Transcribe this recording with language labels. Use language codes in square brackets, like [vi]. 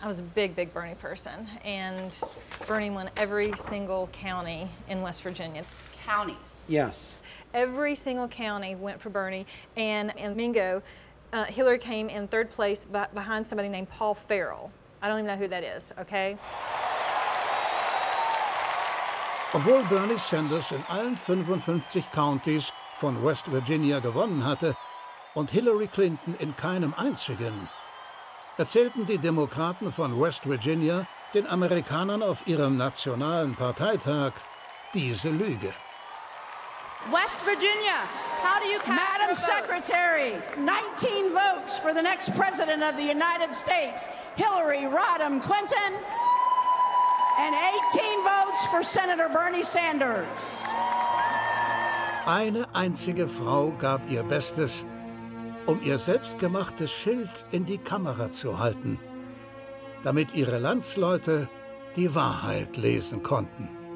[en] I was a big, big Bernie person, and Bernie won every single county in West Virginia. Counties. Yes. Every single county went for Bernie, and in Mingo, Hillary came in third place behind somebody named Paul Farrell. I don't even know who that is, okay? [de] Obwohl Bernie Sanders in allen 55 counties von West Virginia gewonnen hatte und Hillary Clinton in keinem einzigen, erzählten die Demokraten von West Virginia den Amerikanern auf ihrem nationalen Parteitag diese Lüge. [en] West Virginia, how do you count your votes? Madam Secretary, 19 votes for the next president of the United States, Hillary Rodham Clinton, and 18 votes for Senator Bernie Sanders. [de] Eine einzige Frau gab ihr Bestes, um ihr selbstgemachtes Schild in die Kamera zu halten, damit ihre Landsleute die Wahrheit lesen konnten.